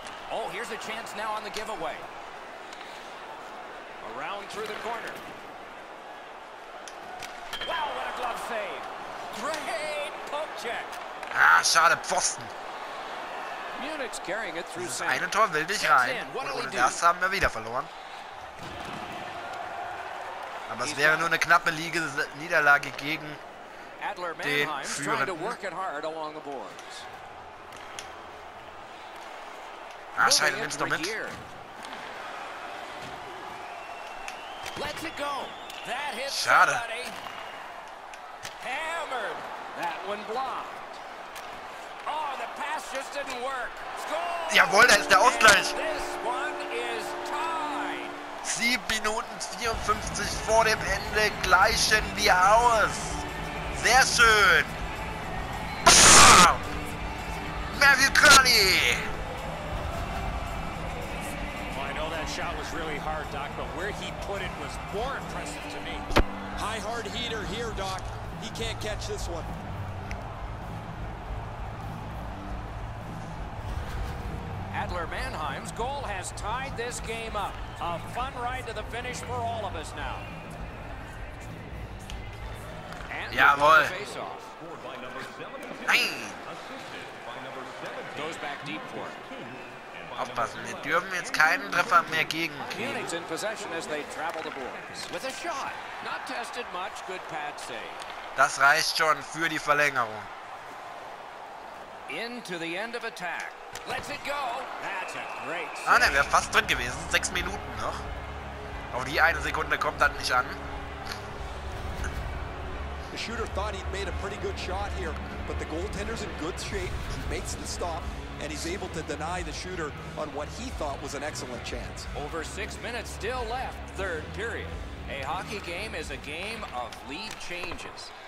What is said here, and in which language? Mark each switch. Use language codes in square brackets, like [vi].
[en] Oh, here's a chance now on the giveaway. Around through the corner. Wow, what a glove save. Great poke check. [de] Ah, schade, Pfosten. [en] Munich's carrying it through [de] center. Ein Tor will dich rein. Und das haben wir wieder verloren. Aber es wäre nur eine knappe Niederlage gegen Adler den Führenden. [en] To work it hard along the [de] ah, scheiße, nimmst du noch mit. [en] Let's it go. That hit [de] schade. [en] Hammered. That one blocked. Oh, the pass just didn't work. [de] Jawohl, da ist der Ausgleich. [en] This one is tied. [de] 7 Minuten 54 vor dem Ende gleichen wir aus. Sehr schön. [en] Matthew Curley. Well, I know that shot was really hard, Doc, but where he put it was more impressive to me. High hard heater here, Doc. He can't catch this one. Adler Mannheim's goal has tied this game up. A fun ride to the finish for all of us now. [de] And jawohl. Nein. [en] Goes back deep for it. [de] Aufpassen, wir dürfen jetzt keinen Treffer mehr gegen. [en] Phoenix in possession as they travel the boards. With a shot. Not tested much. Good pad save. [de] Das reicht schon für die Verlängerung. [en] Into the end of attack. Let's it go. That's a great save. [de] Ah, ne, wäre fast drin gewesen. 6 Minuten noch. Aber die eine Sekunde kommt dann nicht an. [en] The shooter thought he'd made a pretty good shot here, but the goaltender's in good shape. He makes the stop. And he's able to deny the shooter on what he thought was an excellent chance. Over 6 minutes still left, third period. A hockey game is a game of lead changes.